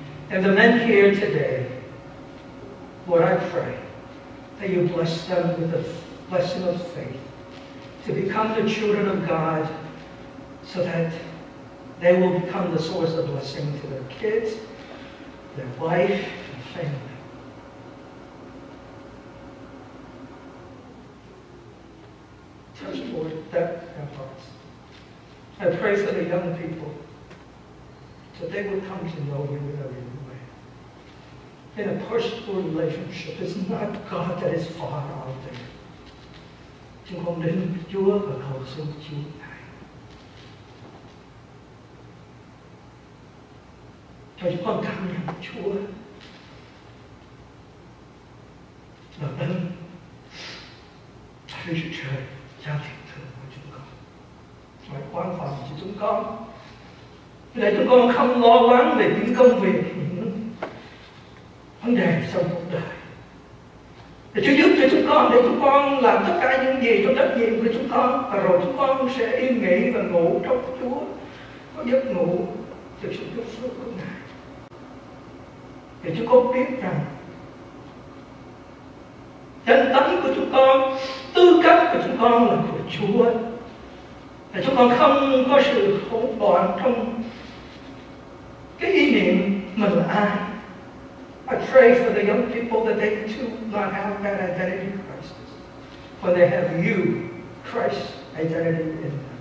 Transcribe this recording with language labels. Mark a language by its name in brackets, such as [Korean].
[English] And the men here today, Lord, I pray that you bless them with the blessing of faith to become the children of God, so that they will become the source of blessing to their kids, their wife, and family. Touch, Lord, that their hearts. I pray for the young people that they will come to know you in a real way. in a personal relationship, it's not God that is far out there. [Vietnamese] Chúng con đến Chúa và cầu xin Chúa Ngài. Cho chúng con cảm nhận Chúa là đấng Trên trời cha thiên thượng của chúng con. Hãy quan phòng cho chúng con để chúng con không lo lắng về những công việc, những vấn đề trong cuộc đời. Để Chúa giúp cho chúng con, để chúng con làm tất cả những gì trong trách nhiệm của chúng con, và rồi chúng con sẽ yên nghỉ và ngủ trong Chúa, có giấc ngủ từ sự giúp đỡ của Ngài. Để chúng con biết rằng danh tánh của chúng con, tư cách của chúng con là của Chúa. Để chúng con không có sự hỗn loạn trong cái ý niệm mình là ai. [English] I pray for the young people that they too not have that identity crisis, for they have you, Christ's identity in them.